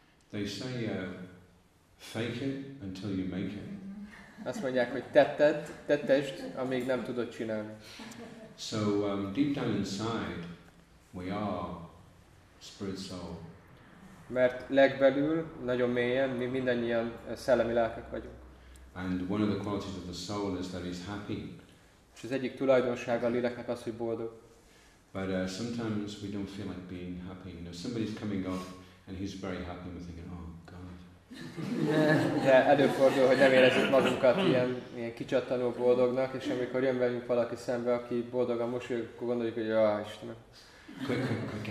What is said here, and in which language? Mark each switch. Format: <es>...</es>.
<en>They say fake it until you make it.</en> <hu>Azt mondják, hogy tettest, amíg nem tudod csinálni.</hu> <en>So deep down inside, we are spirit soul.</en> <hu>Mert legbelül, nagyon mélyen, mi mindannyian szellemi lelkek vagyunk.</hu> <en>And one of the qualities of the soul is that it's happy.</en> <hu>És az egyik tulajdonsága a léleknek az, hogy boldog.</hu> <en>But sometimes we don't feel like being happy. You know, somebody's coming off and he's very happy and we're thinking, oh God.</en> <hu>De előfordul, hogy nem érezzük magunkat ilyen kicsattanó boldognak, és amikor jön velünk valaki szembe, aki boldog a mosolyog, akkor gondoljuk, hogy ah, Istenem.</hu>